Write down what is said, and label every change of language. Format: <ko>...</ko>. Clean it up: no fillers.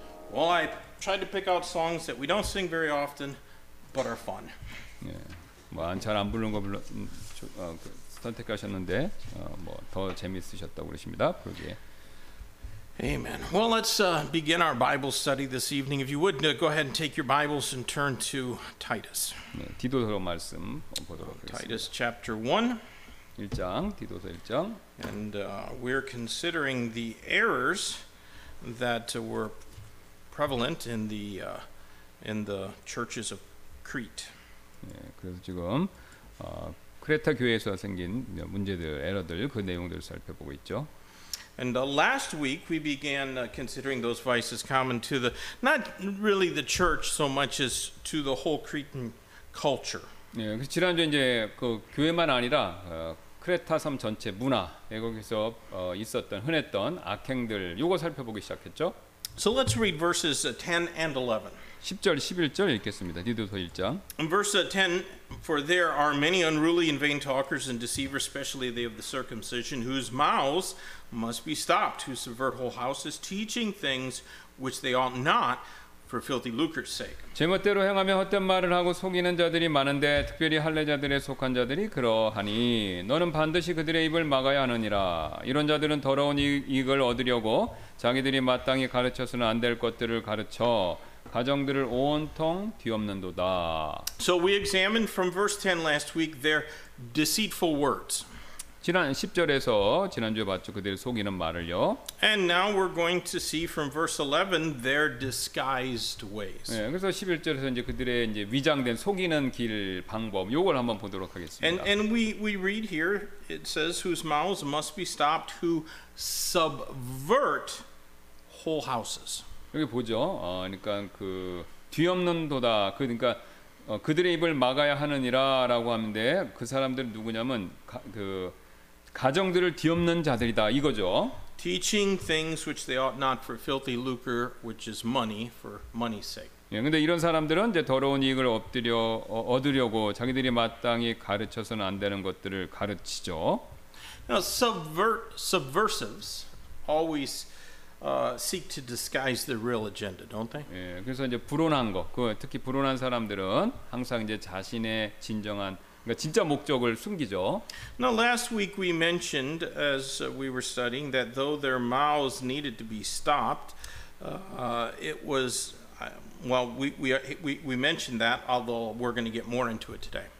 <en>Well, I tried to pick out songs that we don't sing very often, but are fun.</en> <ko>예, 뭐 안 잘 안 부른 거 불러 선택하셨는데 뭐 더 재미있으셨다고 그러십니다. 그러게.</ko> <en>Amen. Well, let's begin our Bible study this evening. If you would, go ahead and take your Bibles and turn to Titus.</en> <ko>네, 디도서 말씀 보도록 하겠습니다.</ko> <en>Titus chapter 1.</en> <ko>1장, 디도서 1장.</ko> <en>And we're considering the errors that were prevalent in the churches of Crete.</en> <ko>예, 그래서 지금 크레타 교회에서 생긴 문제들, 에러들 그 내용들을 살펴보고 있죠.</ko> <en>And last week we began considering those vices common to the not really the church so much as to the whole Cretan culture.</en> <ko>예, 지난주 이제 그 교회만 아니라 크레타 섬 전체 문화 거기서 있었던 흔했던 악행들 요거 살펴보기 시작했죠.</ko> <en>So let's read verses 10 and 11.</en> <ko>10절, 11절 읽겠습니다. 디도서 1장.</ko> <en>In verse 10, for there are many unruly and vain talkers and deceivers, especially they of the circumcision, whose mouths must be stopped, who subvert whole houses, teaching things which they ought not, for filthy lucre's sake.</en> <ko>제멋대로 행하며 헛된 말을 하고 속이는 자들이 많은데 특별히 할례자들에 속한 자들이 그러하니 너는 반드시 그들의 입을 막아야 하느니라. 이런 자들은 더러운 이익을 얻으려고 자기들이 마땅히 가르쳐서는 안 될 것들을 가르쳐 가정들을 온통 뒤엎는도다.</ko> <en>So we examined from verse 10 last week their deceitful words.</en> <ko>지난 10절에서 지난주에 봤죠. 그들 속이는 말을요.</ko> <en>And now we're going to see from verse 11 their disguised ways.</en> <ko>네, 그래서 11절에서 이제 그들의 이제 위장된 속이는 길 방법 요걸 한번 보도록 하겠습니다.</ko> <en>And we read here it says whose mouths must be stopped who subvert whole houses.</en> <ko>여기 보죠. 그러니까 그 뒤엎는 도다. 그러니까 그들의 입을 막아야 하느니라라고 하는데 그 사람들 누구냐면 그 가정들을 뒤엎는 자들이다 이거죠.</ko> <en>Teaching things which they ought not for filthy lucre, which is money, for money's sake.</en> <ko>예, 근데 이런 사람들은 이제 더러운 이익을 얻으려고 자기들이 마땅히 가르쳐서는 안 되는 것들을 가르치죠.</ko> <en>Now, subversives always seek to disguise their real agenda, don't they?</en> <ko>예, 그래서 이제 불온한 거, 그 특히 불온한 사람들은 항상 이제 자신의 진정한 그러니까 진짜 목적을 숨기죠.</ko> <en>Now last week we mentioned as we were studying that though their mouths needed to be stopped, it was well we mentioned that although we're going to get more into it today.</en>